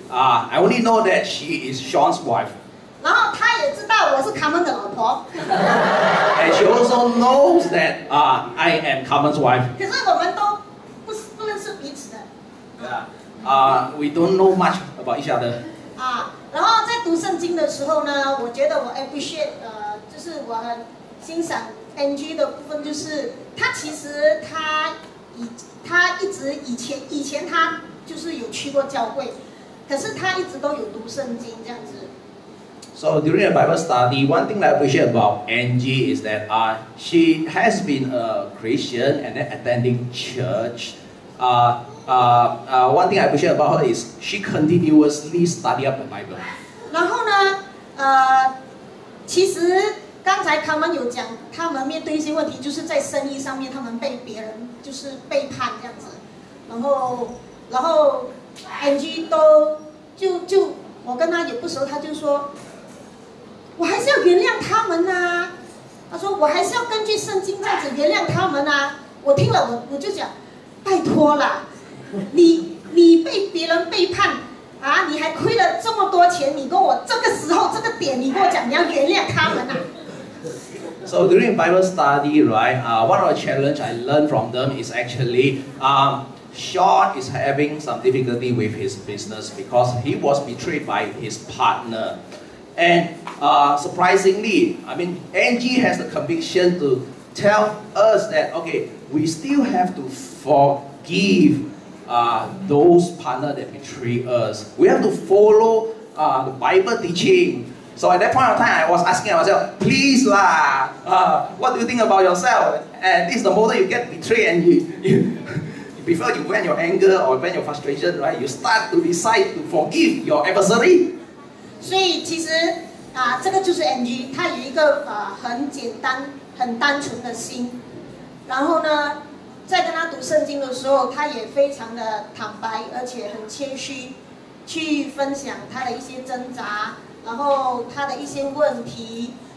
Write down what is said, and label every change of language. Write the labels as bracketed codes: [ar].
[en] I only know that she is Sean's wife. [zh] 然后他也知道我是 Carmen 的老婆。 [en] And she also knows that I am Carmen's wife. [zh] 可是我们都不认识彼此的。 [en] Yeah. We don't know much about each other. [zh] 然后在读圣经的时候呢，我觉得我 appreciate 就是我很欣赏 NG 的部分就是他其实他一直以前他就是有去过教会，可是他一直都有读圣经这样子。 [en] So during the Bible study, one thing that I appreciate about Angie is that she has been a Christian and then attending church. One thing I appreciate about her is she continuously study up the Bible. [zh] 然后呢，其实刚才他们有讲，他们面对一些问题，就是在生意上面他们被别人就是背叛这样子，然后 Angie 都就我跟他也不熟，他就说。我还是要原谅他们啊，他说我还是要根据圣经这样子原谅他们啊。我听了我就讲，拜托了，你被别人背叛啊，你还亏了这么多钱，你跟我这个时候这个点，你跟我讲你要原谅他们啊。 [en] So during Bible study, right? One of the challenge I learned from them is actually, Sean is having some difficulty with his business because he was betrayed by his partner. And surprisingly, I mean, Angie has the conviction to tell us that, okay, we still have to forgive those partners that betray us. We have to follow the Bible teaching. So at that point of time, I was asking myself, please lah, what do you think about yourself? And this is the moment you get betrayed and you before you vent your anger or vent your frustration, right, you start to decide to forgive your adversary. [zh] 所以其实啊，这个就是 NG， 他有一个很简单、很单纯的心。然后呢，在跟他读圣经的时候，他也非常的坦白，而且很谦虚，去分享他的一些挣扎，然后他的一些问题。